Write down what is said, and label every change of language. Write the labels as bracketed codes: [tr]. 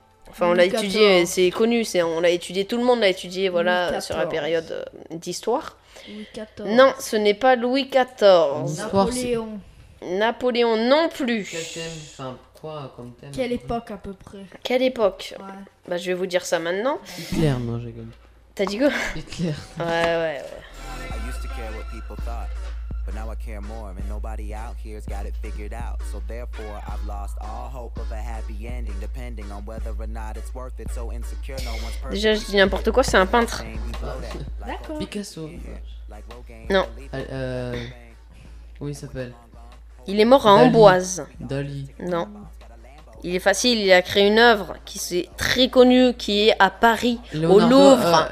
[fr] Enfin, on l'a étudié, c'est connu. C'est... On l'a étudié, tout le monde l'a étudié, voilà, sur la période d'histoire. Louis XIV. Non, ce n'est pas Louis XIV. Histoire, Napoléon. C'est... Napoléon non plus. Quoi, quelle époque à peu près? Quelle époque? Ouais. Bah, je vais vous dire ça maintenant. Hitler, non, j'ai gagné. T'as dit quoi? Hitler. [en] Ouais. I used to care what people thought, but now I care more, and nobody out here's got it figured out. So therefore, I've lost all hope of a happy ending, depending on whether or not it's worth it. So insecure, no one's perfect. [fr] Déjà, je dis n'importe quoi, c'est un peintre. D'accord. Picasso. Non. Oui, il s'appelle. Il est mort à Amboise. Dali. Non. Il est facile, il a créé une œuvre qui est très connue, qui est à Paris, Léonard au Louvre.